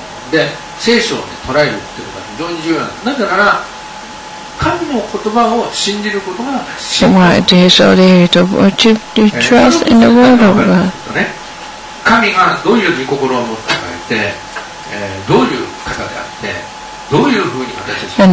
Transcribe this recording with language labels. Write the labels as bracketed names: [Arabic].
[Japanese] で聖書を、ね、捉えるということが非常に重要なんです。なぜなら神の言葉を信じることが信仰です。 [English] So why do you trust in the word of God? [Japanese] 神がどういう心を持ったかって、どういう方であって、どういうふうに私たち